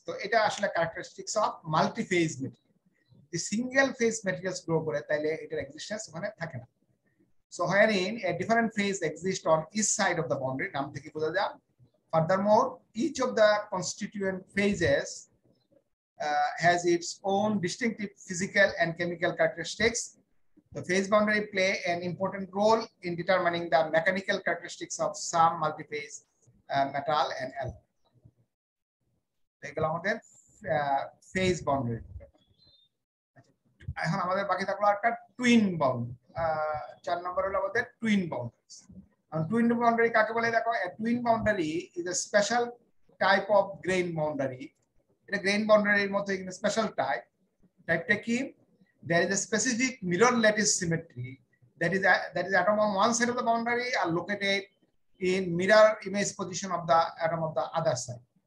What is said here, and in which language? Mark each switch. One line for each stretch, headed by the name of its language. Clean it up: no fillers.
Bangla: তো এটা আসলে characteristics of multi phase material. যদি সিঙ্গেল ফেজ মেটেরিয়ালস গ্রো করে তাহলে এটার এক্সিস্টেন্স ওখানে থাকে না।
English: so where in a different phase exist on each side of the boundary,
Bangla: নাম থেকে বোঝা যায়।
English: Furthermore each of the constituent phases has its own distinctive physical and chemical characteristics. The phase boundary play an important role in determining the mechanical characteristics of some multiphase metal and alloy.
Bangla: এগুলো আমাদের phase boundary. এখন আমাদের বাকি থাকলো একটা twin bound. চার নম্বর হলো আমাদের twin boundaries.
English: And twin boundary
Bangla: কাকে বলে দেখো,
English: a twin boundary is a special type of grain boundary.
Bangla: এটা grain boundary এর মতো একটা special type. Type কি?
English: There is a specific mirror lattice symmetry that is atom on one side of the boundary are located in mirror image position of the atom of the other side.